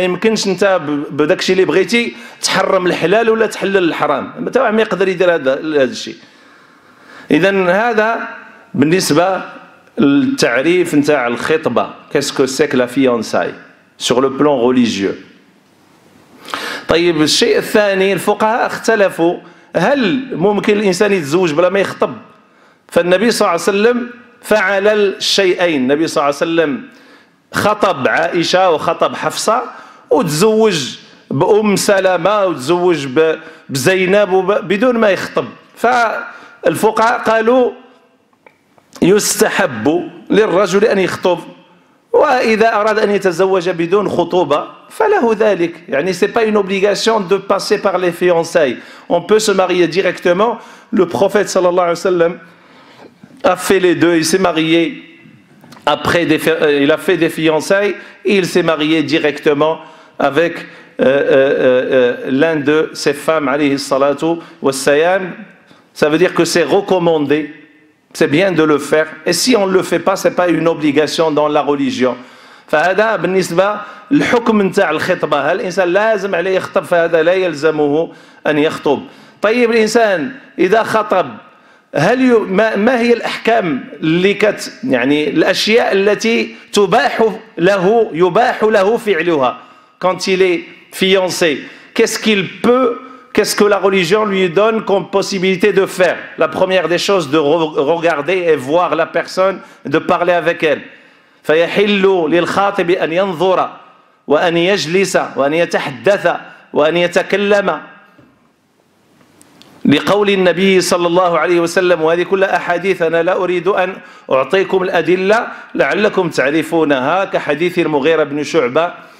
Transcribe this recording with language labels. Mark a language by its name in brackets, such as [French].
[French] Mais il peut pas que vous avez des libertés t'harram le halal ou t'harram le haram. Mais tu ne peux pas faire ça. Et donc c'est pour ce qui est le ta'rif de la khitba. Qu'est-ce que c'est que la fiançaille sur le plan religieux? [Arabic] طيب الشيء الثاني الفقهاء اختلفوا هل ممكن الإنسان يتزوج بلا ما يخطب فالنبي صلى الله عليه وسلم فعل الشيئين النبي صلى الله عليه وسلم خطب عائشة وخطب حفصة وتزوج بأم سلامة وتزوج بزينب بدون ما يخطب فالفقهاء قالوا يستحب للرجل أن يخطب وإذا أراد أن يتزوج بدون خطوبة فله ذلك يعني [French] c'est pas une obligation de passer par les fiançailles. On peut se marier directement. Le prophète [Arabic] صلى الله عليه وسلم [French] a fait les deux. Il s'est marié après des, il a fait des fiançailles et il s'est marié directement avec l'un de ses femmes [Arabic] عليه الصلاة والسلام. [French] Ça veut dire que c'est recommandé. C'est bien de le faire. Et si on ne le fait pas, ce n'est pas une obligation dans la religion. [Arabic] فهذا بالنسبة الحكم نتاع الخطبة. هل الإنسان لازم عليه يخطب فهذا لا يلزمه أن يخطب. طيب الإنسان إذا خطب هل ما هي الأحكام اللي الأشياء التي تباح له يباح له فعلها [French] quand il est fiancé. Qu'est-ce qu'il peut Qu'est-ce que la religion lui donne comme possibilité de faire? La première des choses, de regarder et voir la personne, de parler avec elle. [Arabic] فَيَحِلُّ لِلْخَاطِبِ أَنْ يَنْظُرَ وَأَنْ يَجْلِسَ وَأَنْ يَتَحْدَّثَ وَأَنْ يَتَكَلَّمَ لِقَوْلِ النَّبِيِّ صَلَّى اللَّهُ عَلَيْهِ وَسَلَّمُ وَهَذِهِ كُلَّ أَحَادِيثَ أَنَا لَا أُرِيدُ أَنْ أُعْطِيكُمْ الْأَدِلَّةِ لَعَلَّكُمْ تَعْرِفُونَهَا كحديث المغيرة بن شعبة